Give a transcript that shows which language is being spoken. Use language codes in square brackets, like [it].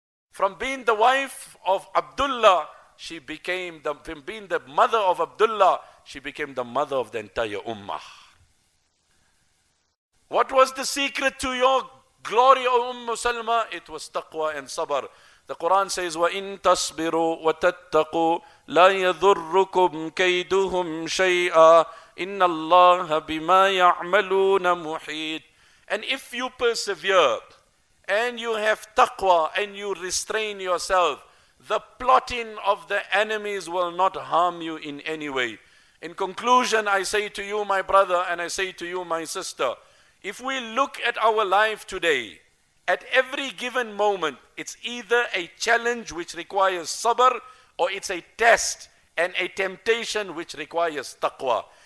[en] From being the wife of Abdullah, she became from being the mother of Abdullah, she became the mother of the entire ummah. What was the secret to your glory, O Ummu Salma? It was taqwa and sabr. The Quran says, [ar] وَإِن تَصْبِرُوا وَتَتَّقُوا لَا يَذُرُّكُمْ كَيْدُهُمْ شَيْئًا إِنَّ اللَّهَ بِمَا يَعْمَلُونَ مُحِيطٌ. [en] And if you persevere and you have taqwa and you restrain yourself, the plotting of the enemies will not harm you in any way. In conclusion, I say to you, my brother, and I say to you, my sister, if we look at our life today, at every given moment, it's either a challenge which requires sabr, or it's a test and a temptation which requires taqwa.